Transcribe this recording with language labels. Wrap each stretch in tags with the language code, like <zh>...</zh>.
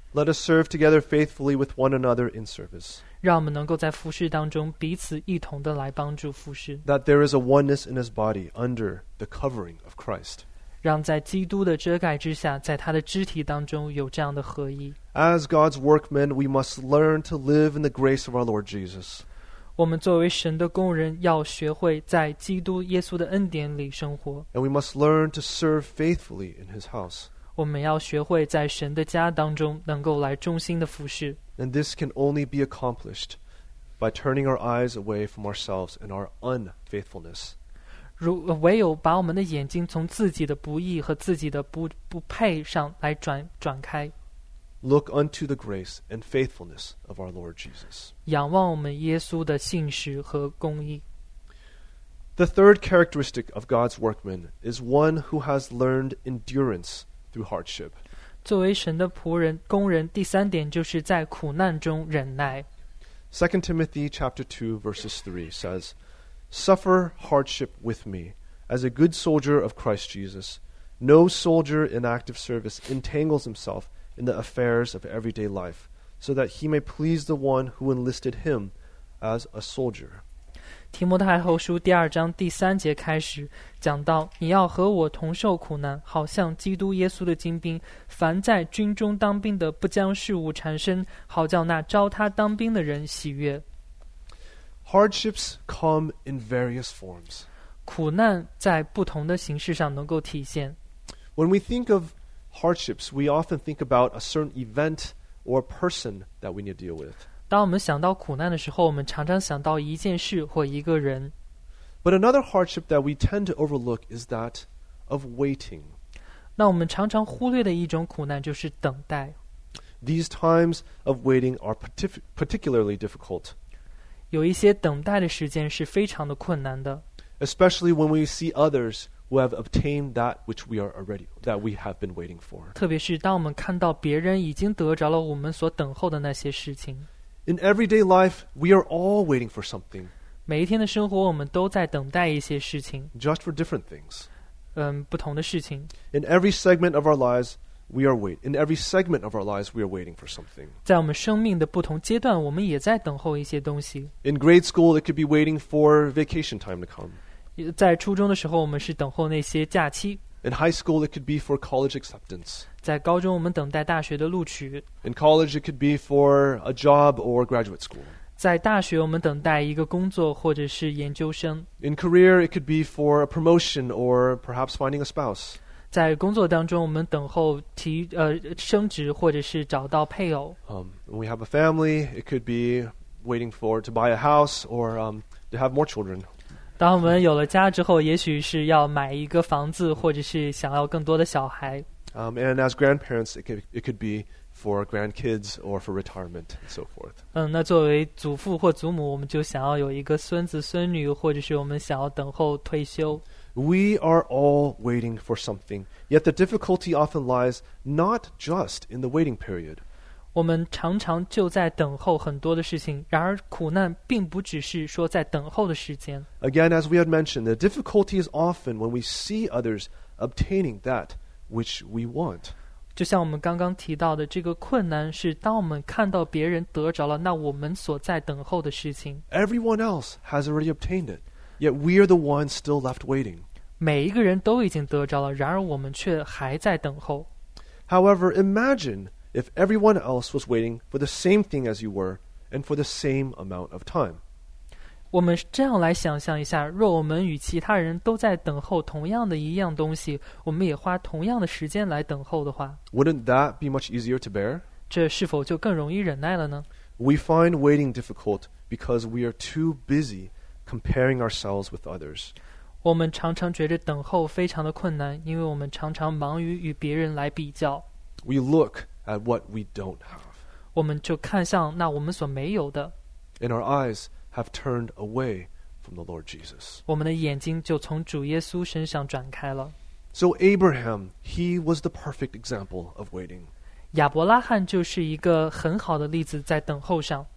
<en>Let us serve together faithfully with one another in service.</en> <zh>让我们能够在服事当中彼此一同的来帮助服事。</zh> <en>That there is a oneness in his body under the covering of Christ.</en> <zh>让在基督的遮盖之下，在他的肢体当中有这样的合一。</zh> <en>As God's workmen, we must learn to live in the grace of our Lord Jesus.</en> <zh>我们作为神的工人，要学会在基督耶稣的恩典里生活。</zh> <en>And we must learn to serve faithfully in his house.</en> <zh>我们要学会在神的家当中能够来忠心的服事。</zh> <en>And this can only be accomplished by turning our eyes away from ourselves and our unfaithfulness.</en> <zh>唯有把我们的眼睛从自己的不义和自己的 不配上来 转开。</zh> <en>Look unto the grace and faithfulness of our Lord Jesus.</en> <zh>仰望我们耶稣的信实和公义。</zh> <en>The third characteristic of God's workman is one who has learned endurance. Through hardship.</en> <zh>作为神的仆人工人第三点就是在苦难中忍耐。</zh> <en>2 Timothy chapter 2 verses 3 says, Suffer hardship with me as a good soldier of Christ Jesus. No soldier in active service entangles himself in the affairs of everyday life so that he may please the one who enlisted him as a soldier.</en> <zh>提摩太后书第二章第三节开始讲到，你要和我同受苦难，好像基督耶稣的精兵。凡在军中当兵的，不将事物缠身，好叫那招他当兵的人喜悦。</zh> <en>Hardships come in various forms.</en> <zh>苦难在不同的形式上能够体现。</zh> <en>When we think of hardships, we often think about a certain event or person that we need to deal with.</en> <zh>当我们想到苦难的时候，我们常常想到一件事或一个人。</zh> <en>But another hardship that we tend to overlook is that of waiting.</en> <zh>那我们常常忽略的一种苦难就是等待。</zh> <en>These times of waiting are particularly difficult.</en> <zh>有一些等待的时间是非常的困难的。</zh> <en>Especially when we see others who have obtained that which we are already, that we have been waiting for.</en> <zh>特别是当我们看到别人已经得着了我们所等候的那些事情。</zh> <en>In everyday life, we are all waiting for something.</en> <zh>每一天的生活我们都在等待一些事情。</zh> <en>Just for different things.</en> <zh>不同的事情。</zh> <en>In every segment of our lives, we are waiting. In every segment of our lives, we are waiting for something.</en> <zh>在我们生命的不同阶段我们也在等候一些东西。</zh> <en>In grade school, it could be waiting for vacation time to come.</en> <zh>在初中的时候我们是等候那些假期。</zh> <en>In high school, it could be for college acceptance.</en> <zh>在高中我们等待大学的录取。</zh> <en>In college, it could be for a job or graduate school.</en> <zh>在大学我们等待一个工作或者是研究生。</zh> <en>In career, it could be for a promotion or perhaps finding a spouse.</en> <zh>在工作当中我们等候升职或者是找到配偶。</zh> <en>We have a family, it could be waiting for to buy a house or to have more children.</en> <zh>当我们有了家之后也许是要买一个房子或者是想要更多的小孩。</zh> <en>And as grandparents, it could beFor grandkids or for retirement and so forth.</en> <zh>那作为祖父或祖母，我们就想要有一个孙子孙女，或者是我们想要等候退休。</zh> <en>We are all waiting for something, yet the difficulty often lies not just in the waiting period.</en> <zh>我们常常就在等候很多的事情，然而苦难并不只是说在等候的时间。</zh> <en>Again, as we had mentioned, the difficulty is often when we see others obtaining that which we want.</en> <zh>就像我们刚刚提到的，这个困难是当我们看到别人得着了那我们所在等候的事情。</zh> <en>Everyone else has already obtained it, yet we are the ones still left waiting.</en> <zh>每一个人都已经得着了，然而我们却还在等候。</zh> <en>However, imagine if everyone else was waiting for the same thing as you were and for the same amount of time.</en> <zh>我们这样来想象一下，若我们与其他人都在等候同样的一样东西，我们也花同样的时间来等候的话，</zh> <en>Wouldn't that be much easier to bear?</en> <zh>这是否就更容易忍耐了呢？</zh> <en>We find waiting difficult because we are too busy comparing ourselves with others.</en> <zh>我们常常觉着等候非常的困难，因为我们常常忙于与别人来比较。</zh> <en>We look at what we don't have.</en> <zh>我们就看向那我们所没有的。</zh> <en>In our eyes,have turned away from the Lord Jesus.</en> <zh>我们的眼睛就从主耶稣身上转开了。</zh> <en>So Abraham, he was the perfect example of waiting.</en> <zh>亚伯拉罕就是一个很好的例子在等候上。</zh>